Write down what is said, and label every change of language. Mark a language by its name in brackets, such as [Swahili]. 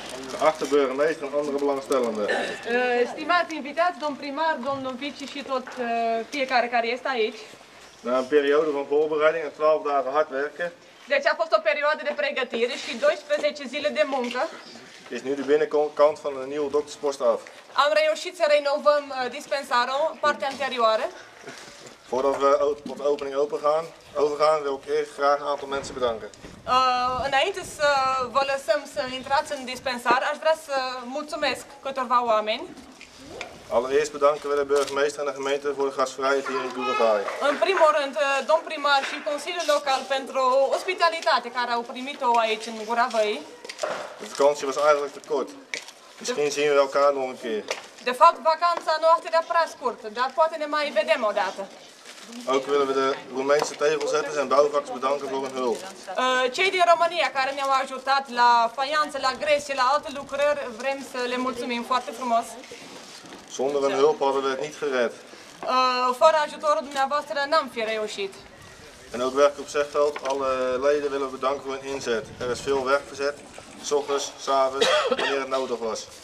[Dutch] De achterdeur en een andere belangstellende. [Romanian] Stimate invitat, dom primar, dom novici, și tot fiecare care este aici. [Dutch] Na een periode van voorbereiding en 12 dagen hard werken. [Romanian] Deci a fost o perioadă de pregătire și 12 zile de muncă. [Dutch] Is nu de binnenkant van een nieuwe dokterspost af. [Romanian] Am reușit să renovăm dispensarul, partea anterioară. [Dutch] Voordat we op de opening overgaan, wil ik eerst graag een aantal mensen bedanken. [Romanian] Înainte să vă lăsăm să intrați în dispensar, aș vrea să mulțumesc câtorva oameni. [Dutch] Allereerst bedanken we de burgemeester en de gemeente voor de gastvrijheid hier in Gurugai. [Romanian] În primul rând, domn primar și consiliul local pentru ospitalitate care au primit-o aici în Gurugai. [Dutch] De vakantie was eigenlijk te kort. Misschien zien we elkaar nog een keer. [Romanian] De fapt, vacanța noastră era prea scurtă, dar poate ne mai vedem o dată. [Dutch] Ook willen we de Roemeense tegelzetters en bouwvakkers bedanken voor hun hulp. [Romanian] Cei din România care ne-au ajutat la faianță, la gres și la alte lucrări, vrem să le mulțumim foarte frumos. [Dutch] Zonder hun hulp hadden we het niet gered. [Romanian] Fără ajutorul dumneavoastră n-am fi reușit. [Dutch] En ook werk op Zegveld, alle leden willen we bedanken voor hun inzet. Er is veel werk verzet, 's ochtends, 's avonds, wanneer het nodig was.